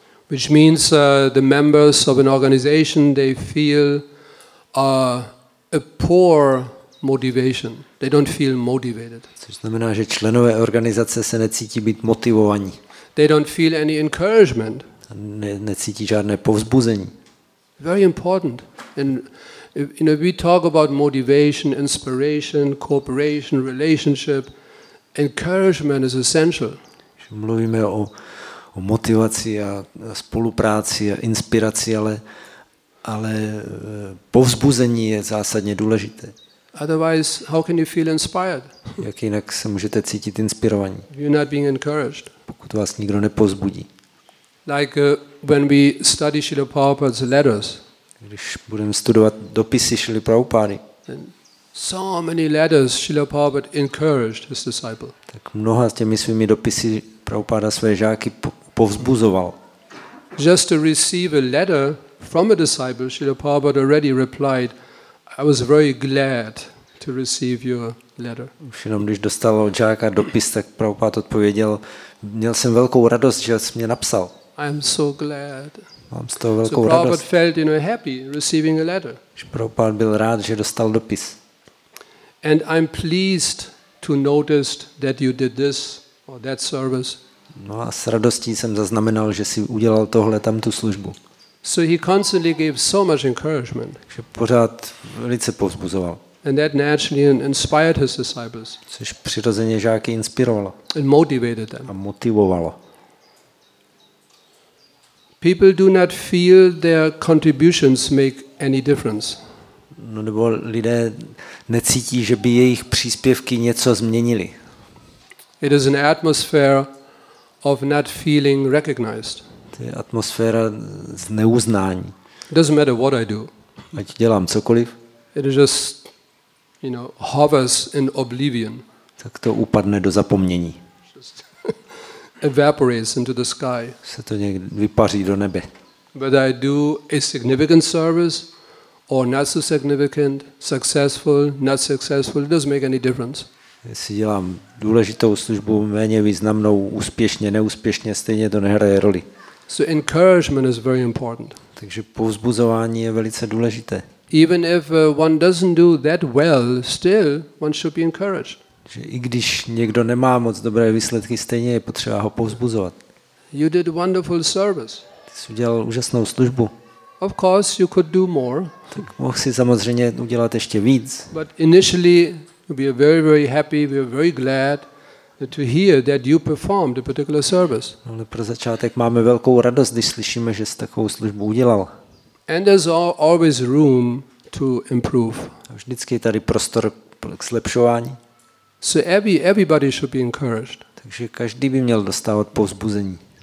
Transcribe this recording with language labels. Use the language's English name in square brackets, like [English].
[English] Which means the members of an organization, they feel a poor motivation. They don't feel motivated. [Czech] Což znamená, že členové organizace se necítí být motivovaní. [English] They don't feel any encouragement. [Czech] Necítí žádné povzbuzení. [English] Very important. And we talk about motivation, inspiration, cooperation, relationship. Encouragement is essential. [Czech] Mluvíme o motivaci a spolupráci a inspiraci, ale povzbuzení je zásadně důležité. [English] Otherwise, how can you feel inspired? [Czech] Jak jinak se můžete cítit inspirovaní? [English] You're not being encouraged. [Czech] Pokud vás nikdo nepovzbudí. [English] Like when we study Srila Prabhupada's letters. [Czech] Když budeme studovat dopisy Srila Prabhupády. [English] So many letters Srila Prabhupada encouraged his disciple. [Czech] Tak mnoha z těmi svými dopisy Prabhupáda své žáky povzbuzoval. [English] Just to receive a letter from a disciple, Srila Prabhupada already replied, I was very glad to receive your letter. [Czech] Už jenom když dostal od žáka dopis, tak Prabhupád odpověděl, měl jsem velkou radost, že jsi mě napsal. [English] I am so glad. [Czech] Mám z toho velkou radost. [English] So Prabhupada felt happy receiving a letter. [Czech] Prabhupád byl rád, že dostal dopis. [English] And I'm pleased to notice that you did this or that service. [Czech] No a s radostí jsem zaznamenal, že si udělal tohle tam tu službu. [English] So he constantly gave so much encouragement. [Czech] Že pořád velice povzbuzoval. [English] And that naturally inspired his disciples. [Czech] Což přirozeně žáky inspirovalo. [English] And motivated them. [Czech] A motivovalo. [English] People do not feel their contributions make any difference. [Czech] No nebo lidé necítí, že by jejich příspěvky něco změnily. [English] It is an atmosphere of not feeling recognized. [Czech] To je atmosféra neuznání. [English] It doesn't matter what I do. [Czech] Ať dělám cokoliv. [English] It is just, hovers in oblivion. [Czech] Tak to upadne do zapomnění. [English] Evaporates into the sky. [Czech] Se to někdy vypaří do nebe. [English] But I do a significant service or not so significant, successful, not successful, it doesn't make any difference. [Czech] Jestli dělám důležitou službu, méně významnou, úspěšně, neúspěšně, stejně to nehraje roli. [English] So encouragement is very important. [Czech] Takže povzbuzování je velice důležité. [English] Even if one doesn't do that well, still one should be encouraged. [Czech] Že i když někdo nemá moc dobré výsledky, stejně je potřeba ho povzbuzovat. [English] You did wonderful service. [Czech] Ty jsi udělal úžasnou službu. [English] Of course you could do more. [Czech] Tak mohl jsi samozřejmě udělat ještě víc. [English] But initially we are very very happy, we are very glad to hear that you performed a particular service. [Czech] Ale pro začátek máme velkou radost, když slyšíme, že jsi takovou službu udělal. [English] And there's always room to improve. [Czech] Vždycky je tady prostor k zlepšování. [English] So everybody should be encouraged. [Czech] Takže každý by měl dostávat povzbuzení.